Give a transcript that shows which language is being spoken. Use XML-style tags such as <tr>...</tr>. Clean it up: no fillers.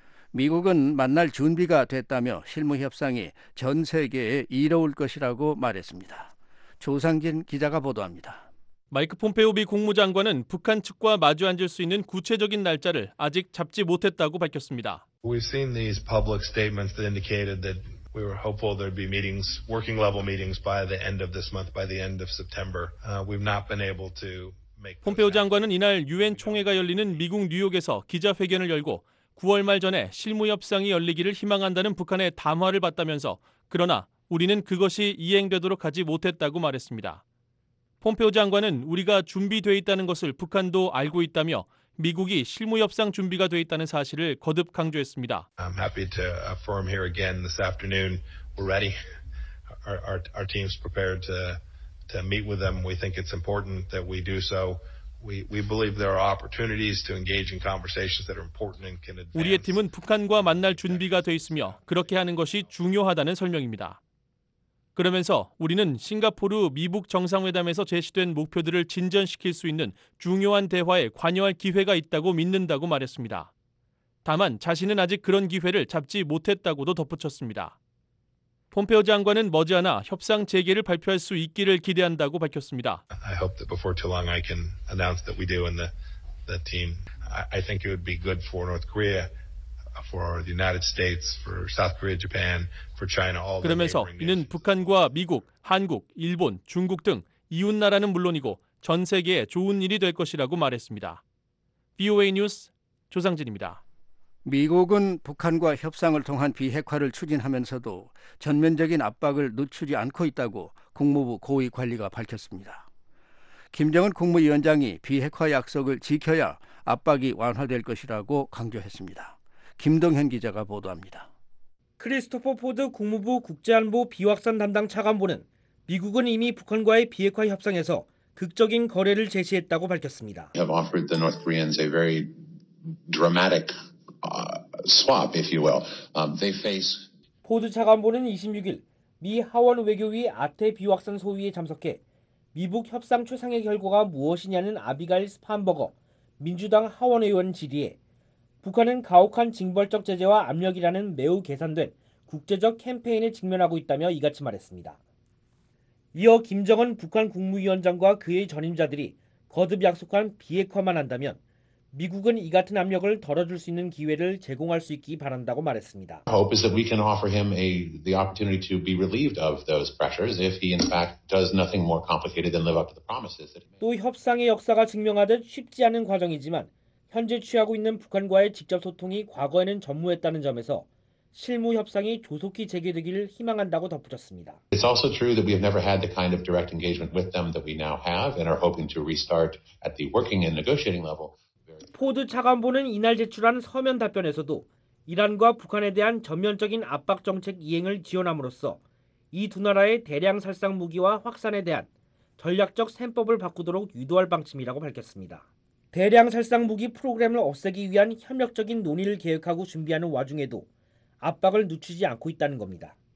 <ko>미국은 만날 준비가 됐다며 실무 협상이 전 세계에 이로울 것이라고 말했습니다. 조상진 기자가 보도합니다. 마이크 폼페오 미 국무장관은 북한 측과 마주 앉을 수 있는 구체적인 날짜를 아직 잡지 못했다고 밝혔습니다.</ko> <en>We've seen these public statements that indicated that we were hopeful there'd be meetings, working level meetings by the end of this month, by the end of September. We've not been able to make.</en> <ko>폼페오 장관은 이날 유엔 총회가 열리는 미국 뉴욕에서 기자회견을 열고 9월 말 전에 실무 협상이 열리기를 희망한다는 북한의 담화를 받다면서 그러나 우리는 그것이 이행되도록 하지 못했다고 말했습니다. 폼페오 장관은 우리가 준비돼 있다는 것을 북한도 알고 있다며 미국이 실무 협상 준비가 돼 있다는 사실을 거듭 강조했습니다.</ko> <en>I'm happy to affirm here again this afternoon we're ready. Our team's prepared to meet with them. We think it's important that we do so. We believe there are opportunities to engage in conversations that are important and can advance.</en> <ko>우리의 팀은 북한과 만날 준비가 돼 있으며 그렇게 하는 것이 중요하다는 설명입니다. 그러면서 우리는 싱가포르 미북 정상회담에서 제시된 목표들을 진전시킬 수 있는 중요한 대화에 관여할 기회가 있다고 믿는다고 말했습니다. 다만 자신은 아직 그런 기회를 잡지 못했다고도 덧붙였습니다. 폼페오 장관은 머지않아 협상 재개를 발표할 수 있기를 기대한다고 밝혔습니다.</ko> <en>I hope that before too long I can announce that we do in the team. I think it would be good for North Korea. For the United States, for South Korea, Japan, for China, all.</en> <ko>그러면서 이는 북한과 미국, 한국, 일본, 중국 등 이웃 나라는 물론이고 전 세계에 좋은 일이 될 것이라고 말했습니다. VOA 뉴스 조상진입니다. 미국은 북한과 협상을 통한 비핵화를 추진하면서도 전면적인 압박을 늦추지 않고 있다고 국무부 고위 관리가 밝혔습니다. 김정은 국무위원장이 비핵화 약속을 지켜야 압박이 완화될 것이라고 강조했습니다. 김동현 기자가 보도합니다. 크리스토퍼 포드 국무부 국제안보 비확산 담당 차관보는 미국은 이미 북한과의 비핵화 협상에서 극적인 거래를 제시했다고 밝혔습니다.</ko> <en>We have offered the North Koreans a very dramatic swap, if you will. They face.</en> <ko>포드 차관보는 26일 미 하원 외교위 아태 비확산 소위에 참석해 미북 협상 초상의 결과가 무엇이냐는 아비갈 스판버거 민주당 하원 의원 질의에 북한은 가혹한 징벌적 제재와 압력이라는 매우 계산된 국제적 캠페인에 직면하고 있다며 이같이 말했습니다. 이어 김정은 북한 국무위원장과 그의 전임자들이 거듭 약속한 비핵화만 한다면 미국은 이 같은 압력을 덜어줄 수 있는 기회를 제공할 수 있기 바란다고 말했습니다.</ko> <en>Hope is that we can offer him the opportunity to be relieved of those pressures if he in fact does nothing more complicated than live up to the promises that he made.</en> <ko>또 협상의 역사가 증명하듯 쉽지 않은 과정이지만 현재 취하고 있는 북한과의 직접 소통이 과거에는 전무했다는 점에서 실무 협상이 조속히 재개되기를 희망한다고 덧붙였습니다.</ko> <en>It's also true that we have never had the kind of direct engagement with them that we now have and are hoping to restart at the working and negotiating level.</en> <ko>포드 차관보는 이날 제출한 서면 답변에서도 이란과 북한에 대한 전면적인 압박 정책 이행을 지원함으로써 이 두 나라의 대량 살상 무기와 확산에 대한 전략적 셈법을 바꾸도록 유도할 방침이라고 밝혔습니다. 대량 살상 무기 프로그램을 없애기 위한 협력적인 논의를 계획하고 준비하는 와중에도 압박을 늦추지 않고 있다는 겁니다.</ko>